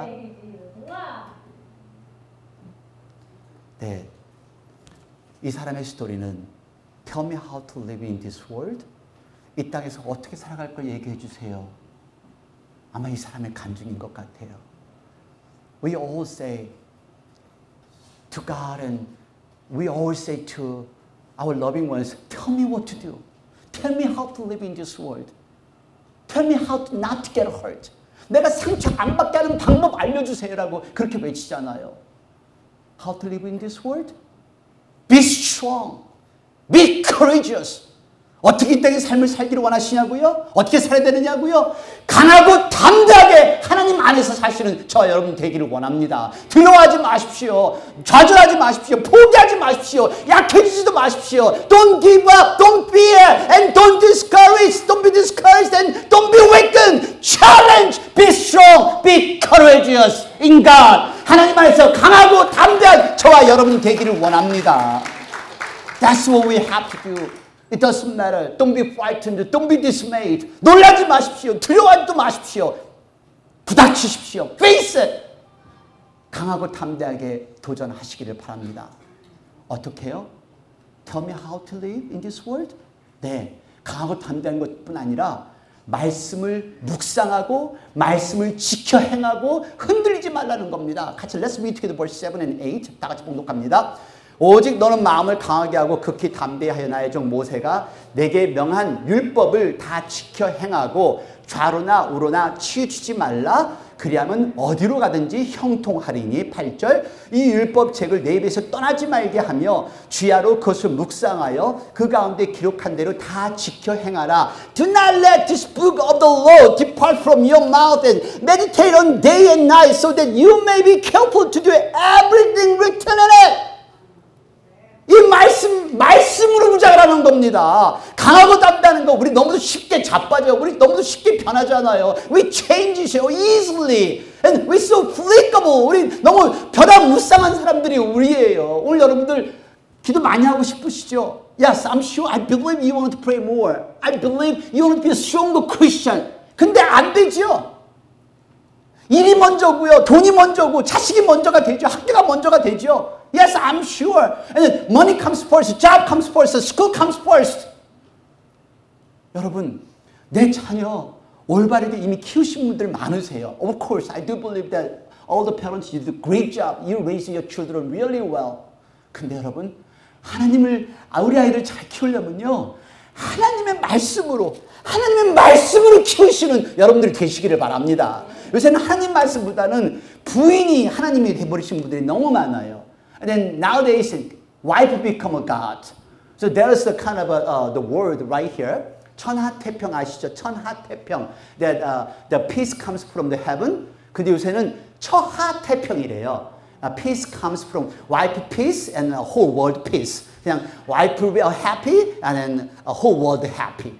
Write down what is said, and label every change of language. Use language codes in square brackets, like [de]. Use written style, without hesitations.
[en] Thank you, Jesus. Wow. [ko] 네, 이 사람의 스토리는 [en] Tell me how to live in this world. [ko] 이 땅에서 어떻게 살아갈 걸 얘기해 주세요. 아마 이 사람의 간증인 것 같아요. [en] We all say to God and we all say to our loving ones, Tell me what to do. Tell me how to live in this world. Tell me how to not get hurt. [ko] 내가 상처 안 받게 하는 방법 알려주세요. 라고 그렇게 외치잖아요. [en] How to live in this world? Be strong. Be courageous. [ko] 어떻게 이 땅에 삶을 살기를 원하시냐고요? 어떻게 살아야 되느냐고요? 강하고 담대하게 하나님 안에서 사시는 저와 여러분 되기를 원합니다. 두려워하지 마십시오. 좌절하지 마십시오. 포기하지 마십시오. 약해지지도 마십시오. [en] Don't give up. Don't fear. And don't discourage. Don't be discouraged. And don't be weakened. Challenge. Be strong. Be courageous. In God. [ko] 하나님 안에서 강하고 담대한 저와 여러분 되기를 원합니다. [en] That's what we have to do. It doesn't matter. Don't be frightened. Don't be dismayed. [ko] 놀라지 마십시오. 두려워하지도 마십시오. 부닥치십시오. [en] Face it. [ko] 강하고 담대하게 도전하시기를 바랍니다. 어떻게요? [en] Tell me how to live in this world? [ko] 네. 강하고 담대한 것뿐 아니라 말씀을 묵상하고 말씀을 지켜 행하고 흔들리지 말라는 겁니다. 같이 [en] Let's read together verse 7 and 8. [ko] 다 같이 봉독합니다. 오직 너는 마음을 강하게 하고 극히 담대하여 나의 종 모세가 내게 명한 율법을 다 지켜 행하고 좌로나 우로나 치우치지 말라. 그리하면 어디로 가든지 형통하리니 8절 이 율법책을 내 입에서 떠나지 말게 하며 주야로 그것을 묵상하여 그 가운데 기록한 대로 다 지켜 행하라. [en] Do not let this book of the law depart from your mouth and meditate on day and night so that you may be careful to do everything written in it. [ko] 이 말씀으로 무장을 하는 겁니다. 강하고 담대하는 거 우리 너무도 쉽게 자빠져요. 우리 너무도 쉽게 변하잖아요. [en] We change so easily and we so flexible. [ko] 우리 너무 변화무쌍한 사람들이 우리예요. 오늘 여러분들 기도 많이 하고 싶으시죠? [en] Yes, I'm sure. I believe you want to pray more. I believe you want to be a stronger Christian. [ko] 근데 안 되죠. 일이 먼저고요. 돈이 먼저고 자식이 먼저가 되죠. 학교가 먼저가 되죠. [en] Yes, I'm sure. And money comes first, job comes first, school comes first. [ko] 여러분, 내 자녀 올바르게 이미 키우신 분들 많으세요. [en] Of course, I do believe that All the parents, you did a great job. You raised your children really well. [ko] 근데 여러분, 하나님을 우리 아이를 잘 키우려면요. 하나님의 말씀으로 키우시는 여러분들이 되시기를 바랍니다. 요새는 하나님 말씀보다는 부인이 하나님이 되어버리신 분들이 너무 많아요. [en] And then nowadays, wife become a god. So that is the kind of a, the word right here. [ko] 천하태평 아시죠? 천하태평. [en] That the peace comes from the heaven. [ko] 근데 요새는 처하태평이래요. [en] Peace comes from wife peace and the whole world peace. [ko] 그냥 [en] wife will be happy and then a whole world happy.